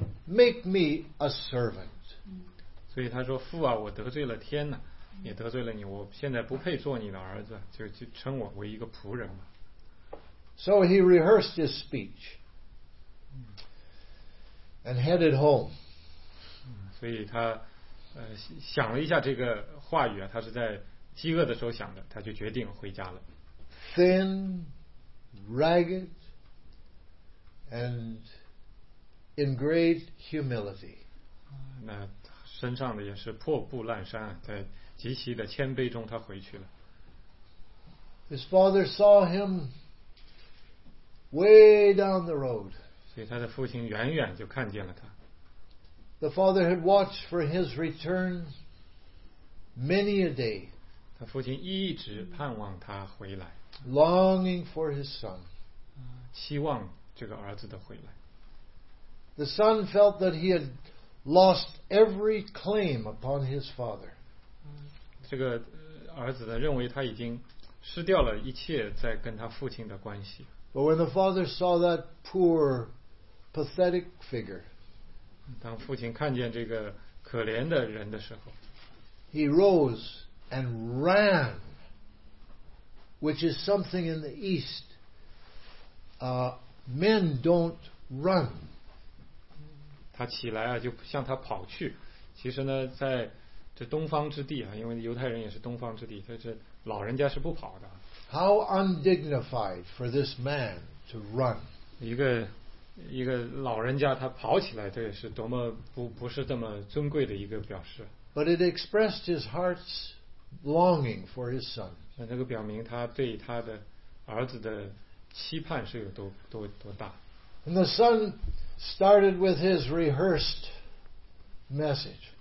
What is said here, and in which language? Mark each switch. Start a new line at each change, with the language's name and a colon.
English: Make me a servant.
Chinese: 所以他说，父啊，我得罪了天呐，也得罪了你，我现在不配做你的儿子，就称我为一个仆人吧。
English: So he rehearsed his speech and headed home.
Chinese: 所以他想了一下这个话语啊，他是在饥饿的时候想的，他就决定回家了。
English: Thin, ragged, and in great humility.
Chinese: 那身上的也是破布烂衫，在极其的谦卑中他回去了。
English: His father saw him way down the road.
Chinese: 所以他的父亲远远就看见了他。
English: The father had watched for his return many a day.
Chinese: 他父亲一直盼望他回来。
English: Longing for his son.
Chinese: 希望这个儿子的回来。
English: The son felt that he had lost every claim upon his father.
Chinese: 这个儿子呢，认为他已经失掉了一切在跟他父亲的关系。
English: But when the father saw that poor, pathetic figure,
Chinese: 当父亲看见这个可怜的人的时候，
English: he rose and ran, which is something in the East. Men don't run.
Chinese: 他起来啊，就向他跑去。其实呢，在这东方之地啊，因为犹太人也是东方之地，他是老人家是不跑的。
English: How undignified for this man to run！
Chinese: 一个老人家他跑起来，这也是多么不是这么尊贵的一个表示。
English: But it expressed his heart's longing for his son。
Chinese: 那这个表明他对他的儿子的期盼是有多大。
English: And the son started with his rehearsed message.